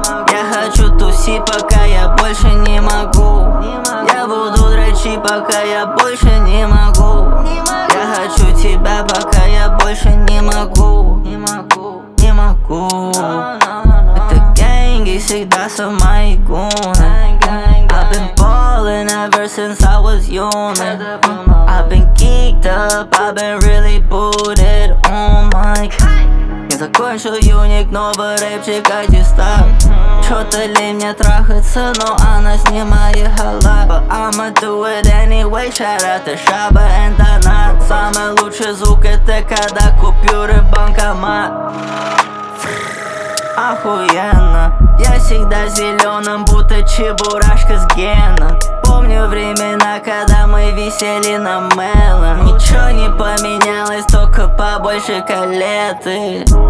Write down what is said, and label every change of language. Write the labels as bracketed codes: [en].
[ru] Я хочу тусить, пока я больше не могу. Я буду дрочить, пока я больше не могу. Я хочу тебя, пока я больше не могу. Не могу. Это деньги всегда со моей гуны. [en] I've been ballin' ever since I was young. I've been geeked up, I've been really booted. Oh my god. [ru] Я закончил юник, новый рэпчик, аттестат. Чё-то лень мне трахаться, но она снимает халат. [en] But I'ma do it anyway, shout out to Shaba and Donat. [ru] Самый лучший звук это когда купюры в банкомат. Охуенно. Я всегда зеленым, будто чебурашка с гена. Помню времена, когда мы висели на мелом. Ничего не поменялось, только побольше калеты.